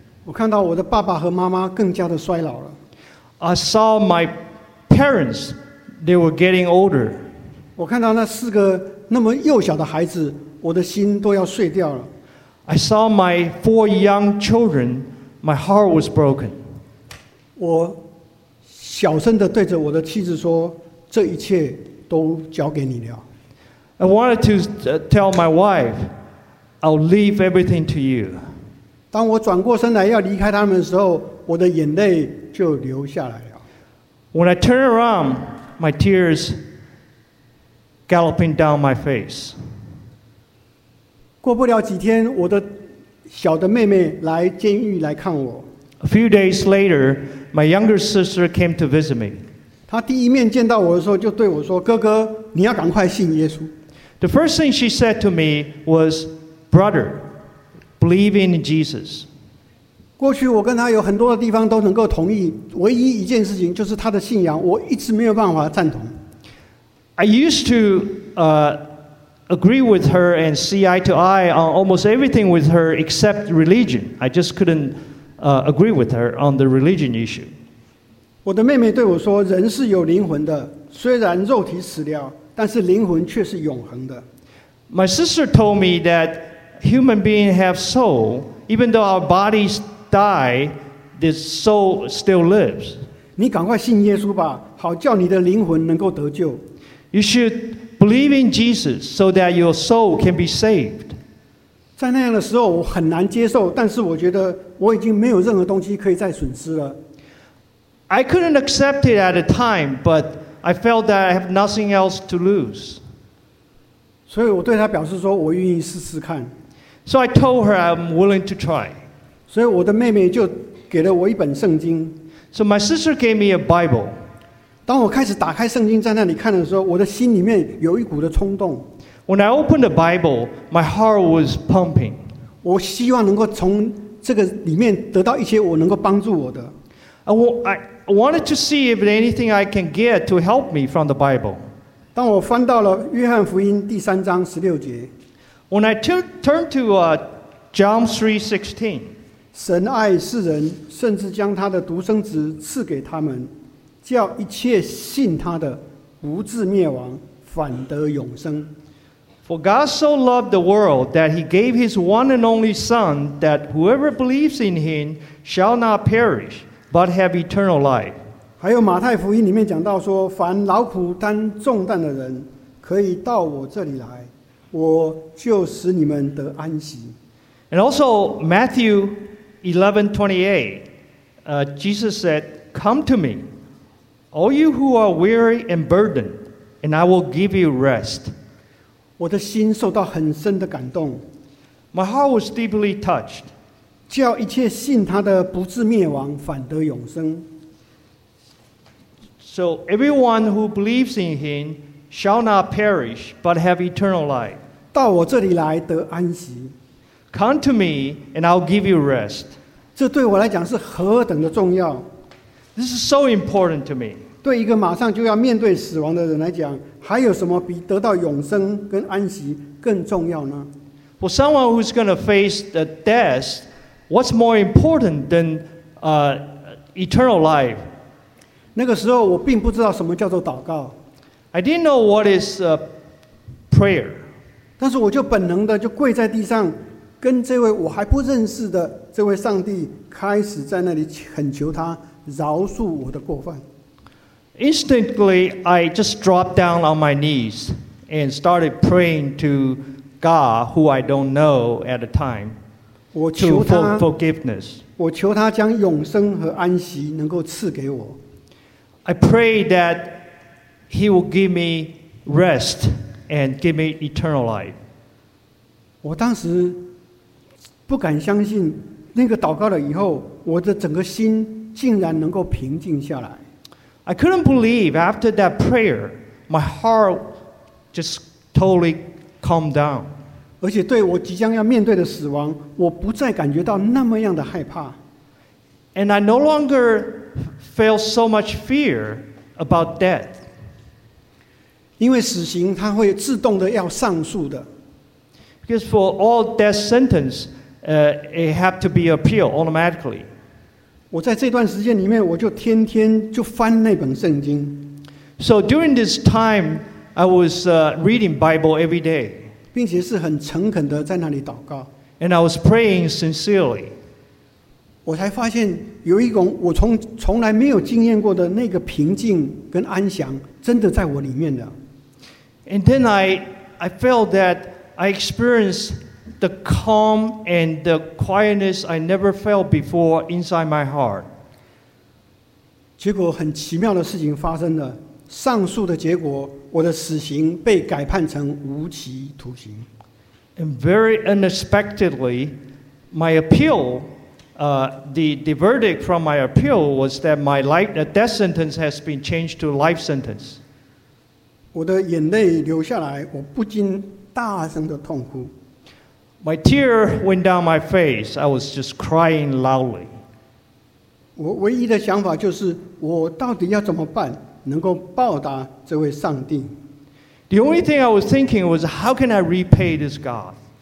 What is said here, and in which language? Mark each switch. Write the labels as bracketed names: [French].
[Chinese] 我看到我的爸爸和妈妈更加的衰老了。 [English] I saw my parents, they were getting older. [Chinese] 我看到那四个那么幼小的孩子，我的心都要碎掉了。 [English] I saw my four young children, my heart was broken. [Chinese] 我小声地对着我的妻子说，这一切都交给你了。 [English] I wanted to tell my wife,I'll leave everything to you. [Chinese] 当我转过身来要离开他们的时候，我的眼泪就流下来了。 [English] When I turn around, my tears galloping down my face. [Chinese] 过不了几天，我的小的妹妹来监狱来看我。 [English] A few days later, my younger sister came to visit me. [Chinese] 她第一面见到我的时候就对我说，哥哥，你要赶快信耶稣。 [English] The first thing she said to me was, brother, believe in Jesus. [Chinese] 过去我跟她有很多的地方都能够同意，唯一一件事情就是她的信仰，我一直没有办法赞同。 [English] I used to agree with her and see eye to eye on almost everything with her except religion. I just couldn't agree with her on the religion issue. [Chinese] 我的妹妹对我说，人是有灵魂的，虽然肉体死了，但是灵魂却是永恒的。 [English] My sister told me that human beings have soul, even though our bodies die, this soul still lives. [Chinese] 你赶快信耶稣吧，好叫你的灵魂能够得救。 [English] You should believe in Jesus so that your soul can be saved. [Chinese] 在那样的时候，我很难接受，但是我觉得我已经没有任何东西可以再损失了。 [English] I couldn't accept it at the time, but I felt that I have nothing else to lose. [Chinese] 所以我对她表示说，我愿意试试看。 [English] So I told her I'm willing to try. [Chinese] 所以我的妹妹就给了我一本圣经。 [English] So my sister gave me a Bible. [Chinese] 当我开始打开圣经在那里看的时候，我的心里面有一股的冲动。 [English] When I opened the Bible, my heart was pumping. [Chinese] 我希望能够从这个里面得到一些我能够帮助我的。 [English] I wanted to see if there's anything I can get to help me from the Bible. [Chinese] 当我翻到了约翰福音第三章十六节。 [English] When I turned to John 3:16. [Chinese] 神爱世人，甚至将他的独生子赐给他们。叫一切信他的不至灭亡，反得永生。 [English] For God so loved the world that he gave his one and only Son, that whoever believes in him shall not perish, but have eternal life. [Chinese] 还有马太福音里面讲到说，凡劳苦担重担的人，可以到我这里来，我就使你们得安息。 [English] And also Matthew 11:28, Jesus said, "Come to me." All you who are weary and burdened, and I will give you rest. [Chinese] 我的心受到很深的感动。 [English] My heart was deeply touched. [Chinese] 叫一切信他的不至灭亡，反得永生。 [English] So everyone who believes in him shall not perish, but have eternal life. [Chinese] 到我这里来得安息。 [English] Come to me, and I'll give you rest. [Chinese] 这对我来讲是何等的重要。 [English] This is so important to me. [Chinese] 对一个马上就要面对死亡的人来讲，还有什么比得到永生跟安息更重要呢？ [English] For someone who's going to face the death, what's more important than eternal life? [Chinese] 那个时候我并不知道什么叫做祷告。 [English] I didn't know what is prayer. [Chinese] 但是我就本能的就跪在地上，跟这位我还不认识的这位上帝开始在那里恳求他。饶恕我的过犯。 [English] Instantly, I just dropped down on my knees and started praying to God, who I don't know at the time, [Chinese] 我求他, [English] to forgiveness. [Chinese] 我求他将永生和安息能够赐给我。 [English] I pray that He will give me rest and give me eternal life. [Chinese] 我当时不敢相信，那个祷告了以后，我的整个心竟然能够平静下来。 [English] I couldn't believe after that prayer, my heart just totally calmed down. [Chinese] 而且对我即将要面对的死亡，我不再感觉到那么样的害怕。 [English] And I no longer felt so much fear about death. [Chinese] 因为死刑它会自动的要上诉的。 [English] Because for all death sentence, it have to be appealed automatically. [Chinese] 我在这段时间里面，我就天天就翻那本圣经。 [English] So during this time, I was reading Bible every day. [Chinese] 并且是很诚恳的在那里祷告。 [English] And I was praying sincerely. [Chinese] 我才发现有一种我从来没有经验过的那个平静跟安详，真的在我里面的。 [English] And then I felt that I experienced. The calm and the quietness I never felt before inside my heart. [Chinese] 结果很奇妙的事情发生了。上诉的结果，我的死刑被改判成无期徒刑。 [English] And very unexpectedly, my appeal, the verdict from my appeal was that my life, a death sentence has been changed to a life sentence. [Chinese] 我的眼泪流下来，我不禁大声的痛哭。 [English] My tear went down my face. I was just crying loudly. [Chinese] 我唯一的想法就是，我到底要怎么办，能够报答这位上帝。 [English] The only thing I was thinking was, how can I repay this God?